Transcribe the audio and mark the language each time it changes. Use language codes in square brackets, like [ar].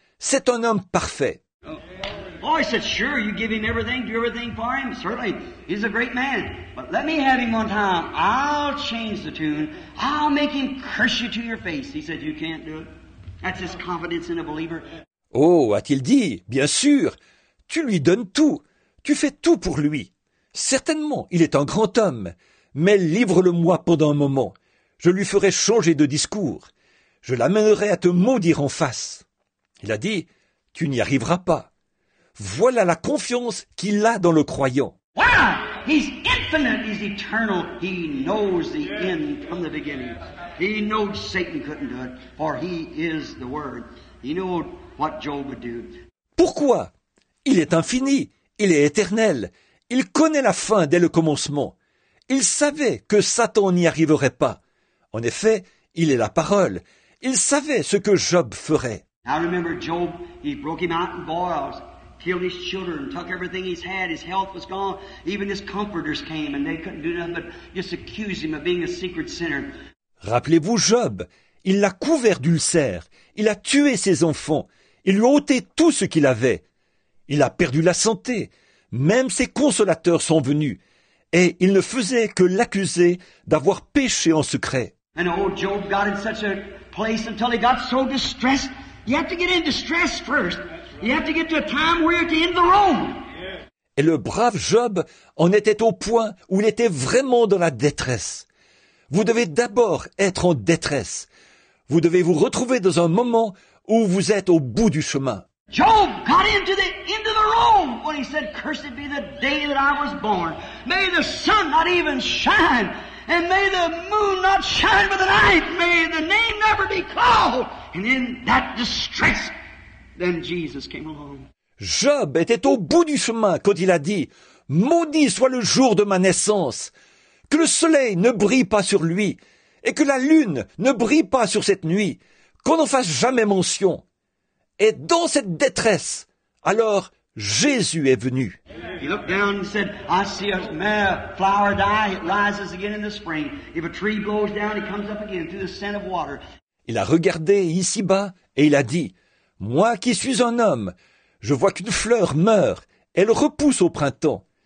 [fr] C'est un homme parfait. » [en] Oh, he said, sure, you give him everything, do everything for him. Certainly, he's a great man. But let me have him one time. I'll change the tune. I'll make him curse you to your face. He said, you can't do it. That's his confidence in a believer. [fr] Oh, a-t-il dit, bien sûr, tu lui donnes tout. Tu fais tout pour lui. Certainement, il est un grand homme. Mais livre-le-moi pendant un moment. Je lui ferai changer de discours. Je l'amènerai à te maudire en face. Il a dit, tu n'y arriveras pas. Voilà la confiance qu'il a dans le croyant. [en] Wow! He's infinite, he's eternal. He knows the end from the beginning. He knows Satan couldn't do it, for he is the Word. He knew what Job would do. [fr] Pourquoi? Il est infini, il est éternel, il connaît la fin dès le commencement. Il savait que Satan n'y arriverait pas. En effet, il est la parole. Il savait ce que Job ferait. [en] I remember Job, he broke him out in boils, killed his children, took everything he's had, his health was gone. Even his comforters came and they couldn't do nothing but just accuse him of being a secret sinner. [fr] Rappelez-vous Job, il l'a couvert d'ulcères, il a tué ses enfants, il lui a ôté tout ce qu'il avait. Il a perdu la santé, même ses consolateurs sont venus, et il ne faisait que l'accuser d'avoir péché en secret. [en] And old Job got in such a place until he got so distressed. You have to get in distress first. You have to get to a time where you're at the end of the road. [fr] Et le brave Job en était au point où il était vraiment dans la détresse. Vous devez d'abord être en détresse. Vous devez vous retrouver dans un moment où vous êtes au bout du chemin. [en] Job got into the end of the road when he said, "Cursed be the day that I was born. May the sun not even shine, and may the moon not shine with the night. May the name never be called." And in that distress, then Jesus came along. [fr] Job était au bout du chemin quand il a dit, "Maudit soit le jour de ma naissance, que le soleil ne brille pas sur lui, et que la lune ne brille pas sur cette nuit, qu'on n'en fasse jamais mention." Et dans cette détresse, alors Jésus est venu. [en] He looked down and said, "I see a flower die, it rises again in the spring. If a tree blows down, it comes up again through the scent of water." [fr] Il a regardé ici-bas et il a dit, « Moi qui suis un homme, je vois qu'une fleur meurt, elle repousse au printemps.